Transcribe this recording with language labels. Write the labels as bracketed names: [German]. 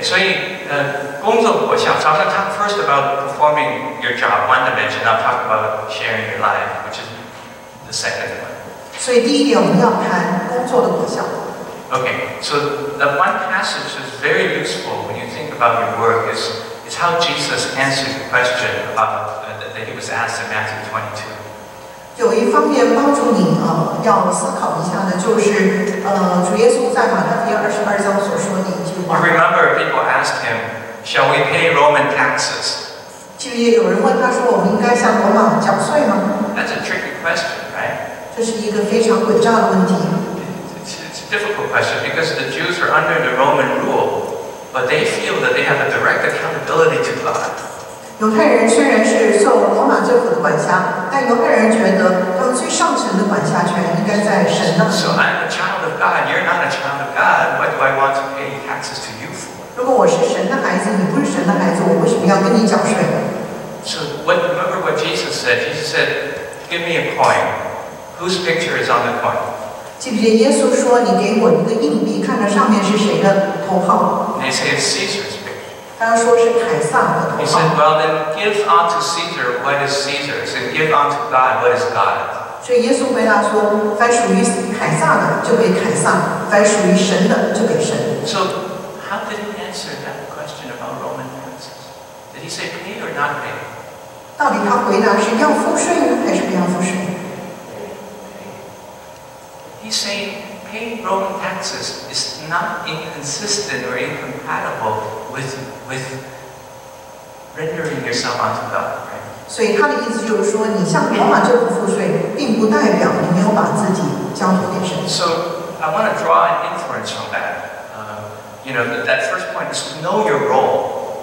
[Chinese] 所以，工作我想早上 [English] talk first about performing your job one dimension, I'll talk about sharing your life, which is the second one. [Chinese] 所以第一点我们要谈工作的果效。 [English] Okay, so the one passage is very useful when you think about your work is how Jesus answered the question about that he was asked in Matthew 22. [Chinese] 有一方面帮助你啊，要思考一下的，就是主耶稣在马太福音22章所说的一句话。 [English] Remember, people asked him, "Shall we pay Roman taxes?" [Chinese] 记得有人问他说，我们应该向罗马缴税吗 [English] ？That's a tricky question, right? [Chinese] 这是一个非常诡诈的问题。 [English] It's a difficult question because the Jews are under the Roman rule, but they feel that they have a direct accountability to God. [Chinese] 犹太人虽然是受罗马政府的管辖，但犹太人觉得他们最上层的管辖权应该在神那里。 [English] So I'm a child of God. You're not a child of God. What do I want to pay taxes to you for? [Chinese] 如果我是神的孩子，你不是神的孩子，我为什么要跟你缴税 [English] ？So what? Remember what Jesus said. Jesus said, "Give me a coin. Whose picture is on the coin?" [Chinese] 记不记得耶稣说，你给我一个硬币，看看上面是谁的头号 [English] ？They say it's Caesar's. [Chinese] 他说是凯撒的头号。 [English] He said, "Well, then, give unto Caesar what is Caesar's, and give unto God what is God's." [Chinese] 所以耶稣回答说，凡属于凯撒的就给凯撒，凡属于神的就给神。 [English] So, how did he answer that question about Roman taxes? Did Did he say paid or not paid? [Chinese] 到底他回答是要付税呢，还是不要付税？ [English] He's saying paying Roman taxes is not inconsistent or incompatible with rendering yourself unto God. [Chinese] 所以他的意思就是说，你向罗马政府付税，并不代表你没有把自己交托给神。 [English] So I want to draw an inference from that. You know, that first point is know your role.